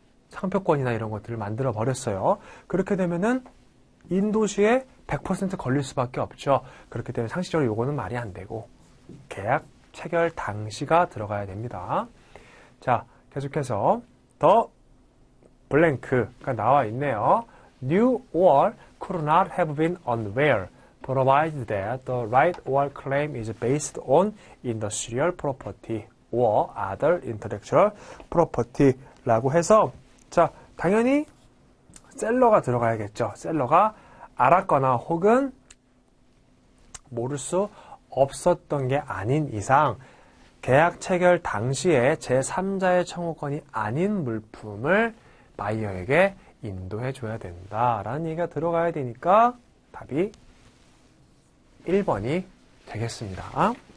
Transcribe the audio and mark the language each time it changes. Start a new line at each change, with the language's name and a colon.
Korean: 상표권이나 이런 것들을 만들어 버렸어요. 그렇게 되면은 인도시에 100% 걸릴 수밖에 없죠. 그렇기 때문에 상식적으로 요거는 말이 안 되고. 계약 체결 당시가 들어가야 됩니다. 자, 계속해서 더 블랭크가 나와 있네요.
English: New or could not have been unaware, provided that the right or claim is based on industrial property or other intellectual property
Korean: 라고 해서 자, 당연히 셀러가 들어가야겠죠. 셀러가 알았거나 혹은 모를 수 없었던 게 아닌 이상 계약 체결 당시에 제3자의 청구권이 아닌 물품을 바이어에게 인도해 줘야 된다라는 얘기가 들어가야 되니까 답이 1번이 되겠습니다.